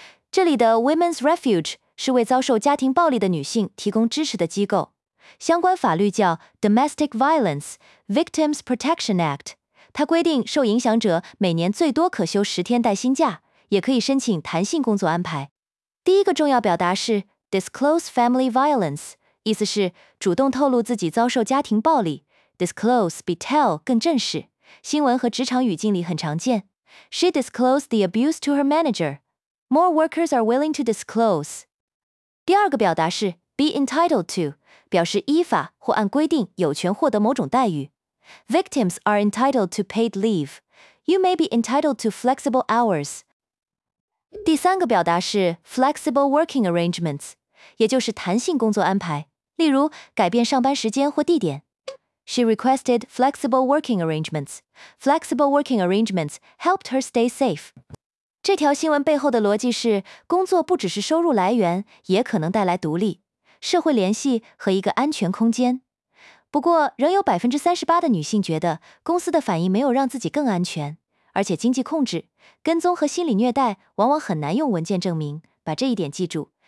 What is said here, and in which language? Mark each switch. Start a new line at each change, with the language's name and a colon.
Chinese: 这里的 Women's Refuge 是为遭受家庭暴力的女性提供支持的机构，相关法律叫 Domestic Violence Victims Protection Act， 它规定受影响者每年最多可休10天带薪假，也可以申请弹性工作安排。第一个重要表达是
English: Disclose family violence，
Chinese: 意思是主动透露自己遭受家庭暴力。 Disclose 比 tell 更正式，新闻和职场语境里很常见。
English: She disclosed the abuse to her manager. More workers are willing to disclose.
Chinese: 第二个表达是
English: be entitled to，
Chinese: 表示依法或按规定有权获得某种待遇。
English: Victims are entitled to paid leave. You may be entitled to flexible hours.
Chinese: 第三个表达是
English: flexible working arrangements，
Chinese: 也就是弹性工作安排，例如改变上班时间或地点。
English: She requested flexible working arrangements. Flexible working arrangements helped her stay safe.
Chinese: 这条新闻背后的逻辑是，工作不只是收入来源，也可能带来独立、社会联系和一个安全空间。不过，仍有 38% 的女性觉得公司的反应没有让自己更安全。而且经济控制、跟踪和心理虐待往往很难用文件证明，把这一点记住。